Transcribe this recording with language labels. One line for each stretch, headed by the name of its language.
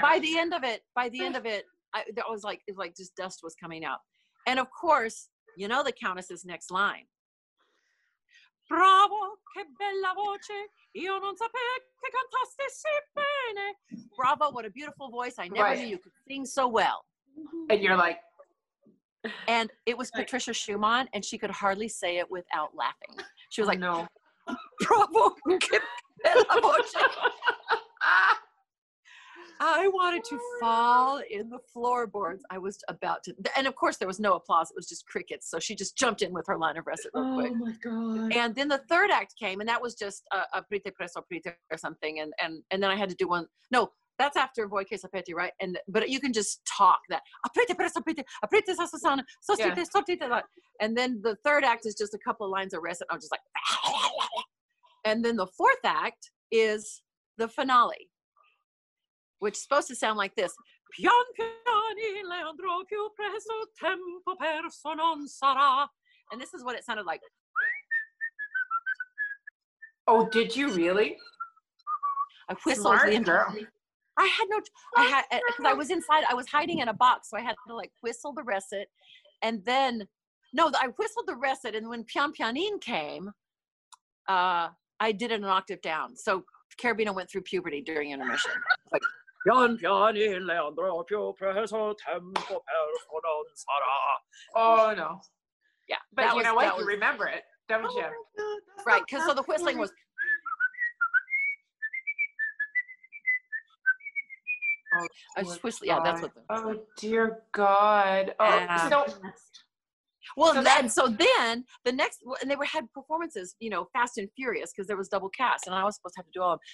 English: By the end of it, it was like just dust was coming out. And of course, you know the Countess's next line.
Italian: Bravo, che bella voce. Io non sapevo che cantassi si bene.
English: Bravo, what a beautiful voice. I never knew you could sing so well. And you're like. And it was Patricia Schumann, and she could hardly say it without laughing. She was like, no.
Italian: Bravo, che bella voce.
English: I wanted to fall in the floorboards. I was about to, and of course there was no applause. It was just crickets. So she just jumped in with her line of recit real quick. Oh my God. And then the third act came, and that was just a prete presto prete or something. And then I had to do one. No, that's after Voi che sapete, right? But you can just talk that. A prete presto prete, a prete sasso sana, so stite, so stite. And then the third act is just a couple of lines of recit. I'm just like. And then the fourth act is the finale, which is supposed to sound like this.
Italian: Pian piani le andrò più presto, tempo perso non sarà.
English: And this is what it sounded like. Oh, did you really? I whistled. Smart girl. I had no, I had, because I was inside, I was hiding in a box, so I had to like whistle the recit, and then, no, I whistled the recit, and when pian pianin came, I did it an octave down. So Carabino went through puberty during intermission. Like,
Italian: pian piani le andrò più presto, tempo perso non sarà.
English: Oh no. Yeah. But you know what? You remember it, don't you? Right, because so the whistling was. Oh, I just whistled. Yeah, that's what the. Oh dear God. Oh, so. Well, so then the next, and they had performances, you know, Fast and Furious, because there was double cast, and I was supposed to have to do all of them.